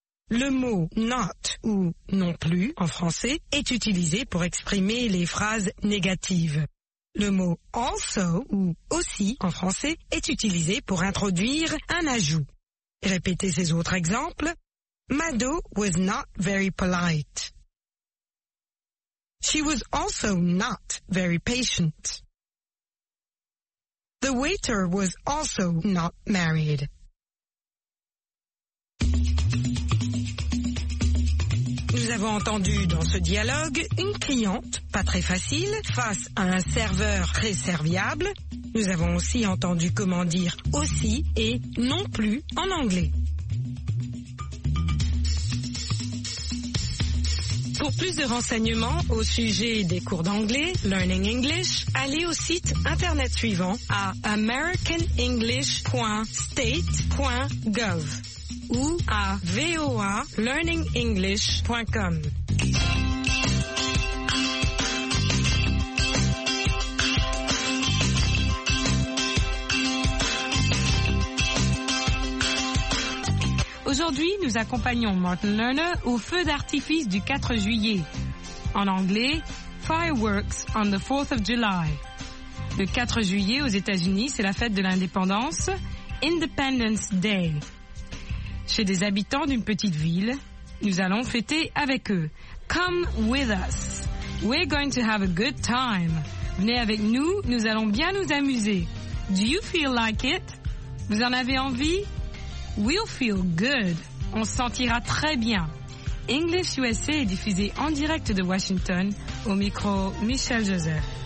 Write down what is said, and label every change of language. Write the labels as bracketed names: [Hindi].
[French] Le mot not ou non plus en français est utilisé pour exprimer les phrases négatives. Le mot also ou aussi en français est utilisé pour introduire un ajout. Répétez ces autres exemples. [English] Madou was not very polite. She was also not very patient. The waiter was also not married. [French] Nous avons entendu dans ce dialogue une cliente, pas très facile, face à un serveur très serviable. Nous avons aussi entendu comment dire aussi et non plus en anglais. Pour plus de renseignements au sujet des cours d'anglais, Learning English, allez au site internet suivant à americanenglish.state.gov ou à voalearningenglish.com. Aujourd'hui, nous accompagnons Martin Lerner au feu d'artifice du 4 juillet. En anglais, [English] Fireworks on the 4th of July. [French] Le 4 juillet aux États-Unis, c'est la fête de l'indépendance, Independence Day. Chez des habitants d'une petite ville, nous allons fêter avec eux. [English] Come with us. We're going to have a good time. [French] Venez avec nous, nous allons bien nous amuser. [English] Do you feel like it? [French] Vous en avez envie? [English] We'll feel good. [French] On se sentira très bien. English USA est diffusé en direct de Washington. Au micro, Michel Joseph.